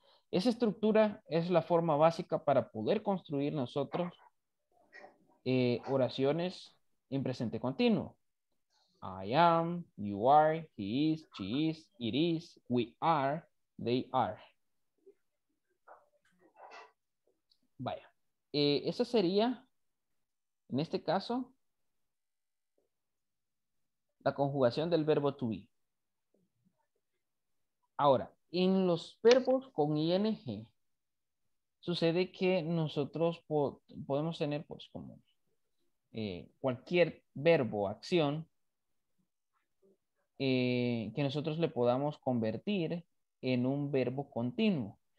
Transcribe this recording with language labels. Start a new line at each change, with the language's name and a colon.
Spanish: Esa estructura es la forma básica para poder construir nosotros oraciones en presente continuo.
English: I am, you are, he is, she is, we are, they are.
Spanish: Vaya. Esa sería, en este caso, la conjugación del verbo to be. Ahora, en los verbos con ing, sucede que nosotros podemos tener, pues, como cualquier verbo, acción, que nosotros le podamos convertir en un verbo continuo.